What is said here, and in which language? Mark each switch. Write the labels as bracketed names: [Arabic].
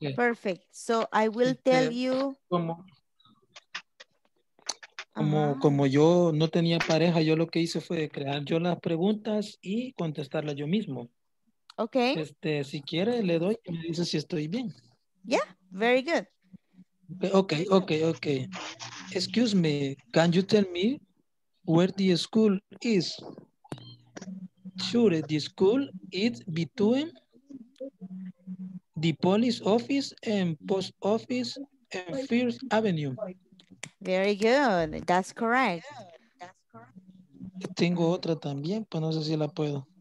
[English] Perfect. So I will tell you. [Spanish] Como yo no tenía pareja, yo lo que hice fue crear yo las preguntas y contestarlas yo mismo. Okay. Si quiere, le doy y me dice si estoy bien. [English] Yeah, very good. Okay. Excuse me, can you tell me where the school is? Sure, the school is between the police office and post office and First Avenue. Very good. That's correct. [Spanish] Tengo otra también, pero no sé si la puedo.